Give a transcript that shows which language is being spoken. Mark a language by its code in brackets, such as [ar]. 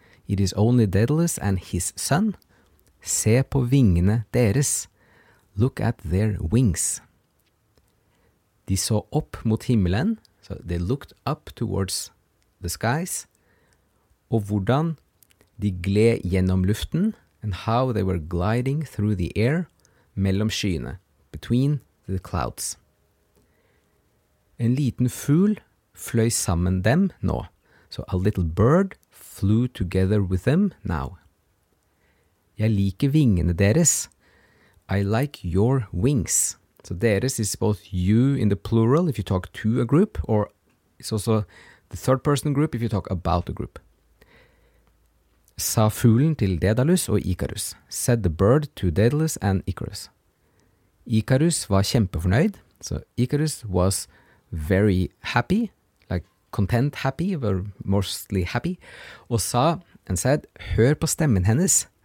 [en] It is only Daedalus and his son. [no] Se på vingene deres. [en] Look at their wings. [no] De så opp mot himmelen. [en] So they looked up towards the skies. [no] Og hvordan de gled gjennom luften. [en] And how they were gliding through the air [no] mellom skyene. [en] Between the clouds. [no] En liten fugl fløy sammen dem nå. [en] So a little bird flew together with them now. [no] Jeg liker vingene deres. [en] I like your wings. So deres is both you in the plural if you talk to a group, or it's also the third person group if you talk about a group. [no] Sa fuglen til Daedalus og Icarus. [en] Said the bird to Daedalus and Icarus. [no] Icarus var kjempefornøyd. [en] So Icarus was very happy, like content, happy, or mostly happy. [no] Og sa, [en] and said, [no] hør på stemmen hennes.